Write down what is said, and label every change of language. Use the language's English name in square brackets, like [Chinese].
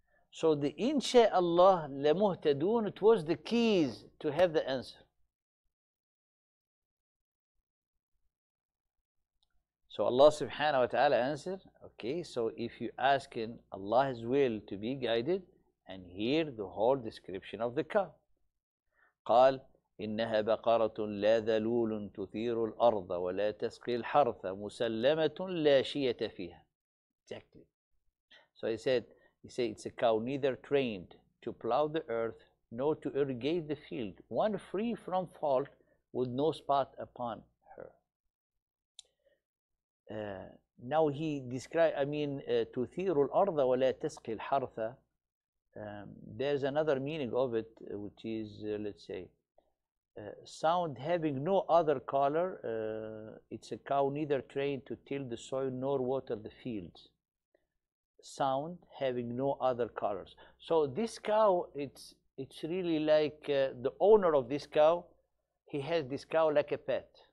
[English] So the insha'Allah la muhtadun, it was the keys to have the answer. So Allah subhanahu wa ta'ala answered, okay, so if you ask in Allah's will to be guided, and hear the whole description of the cow. [Arabic] قال, إنها بقرة لا ذلول تثير الأرض ولا تسقي الحرث مسلمة لا شية فيها. [English] Exactly. So he said, it's a cow neither trained to plow the earth nor to irrigate the field, one free from fault with no spot upon her. Now he described, [Arabic] تثير الأرض ولا تسقي الحرث. [English] There's another meaning of it, which is, sound having no other color, it's a cow neither trained to till the soil nor water the fields. Sound having no other colors. So this cow, it's really like the owner of this cow, he has this cow like a pet.